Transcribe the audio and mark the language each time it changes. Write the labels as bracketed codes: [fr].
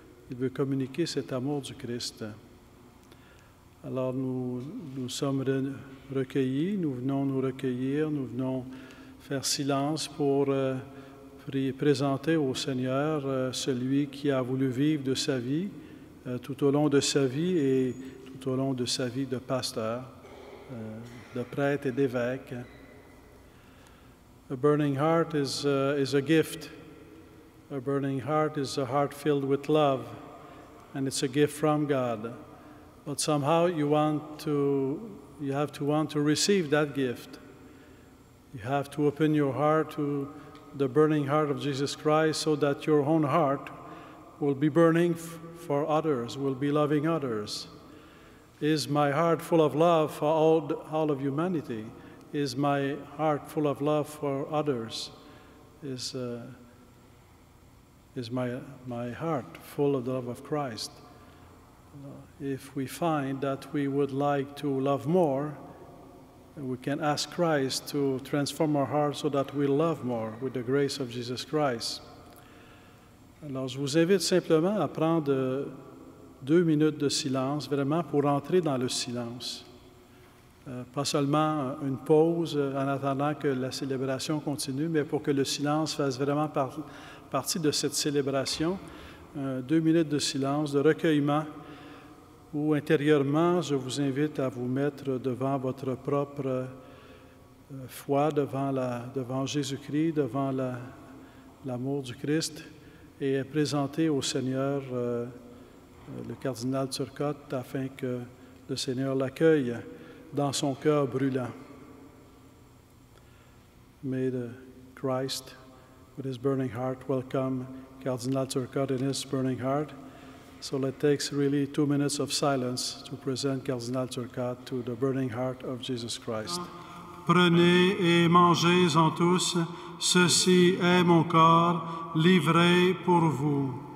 [fr] Il veut communiquer cet amour du Christ. Alors nous sommes recueillis, nous venons nous recueillir, nous venons faire silence pour présenter au Seigneur celui qui a voulu vivre de sa vie, tout au long de sa vie et tout au long de sa vie de pasteur, de prêtre et d'évêque. [en] A burning heart is a gift. A burning heart is a heart filled with love, and it's a gift from God. But somehow you have to want to receive that gift. You have to open your heart to the burning heart of Jesus Christ so that your own heart will be burning for others, will be loving others. Is my heart full of love for all of humanity? Is my heart full of love for others? Is my heart full of the love of Christ? If we find that we would like to love more, we can ask Christ to transform our hearts so that we love more with the grace of Jesus Christ. [fr] Alors, je vous invite simplement à prendre deux minutes de silence, vraiment pour entrer dans le silence. Pas seulement une pause en attendant que la célébration continue, mais pour que le silence fasse vraiment partie de cette célébration. Deux minutes de silence, de recueillement, où intérieurement, je vous invite à vous mettre devant votre propre foi, devant Jésus-Christ, devant l'amour du Christ, et présenter au Seigneur le cardinal Turcotte, afin que le Seigneur l'accueille dans son cœur brûlant. [en] May the Christ, with his burning heart, welcome Cardinal Turcotte in his burning heart. So it takes really 2 minutes of silence to present Cardinal Turcotte to the burning heart of Jesus Christ. [fr] Prenez et mangez-en tous, ceci est mon corps, livré pour vous.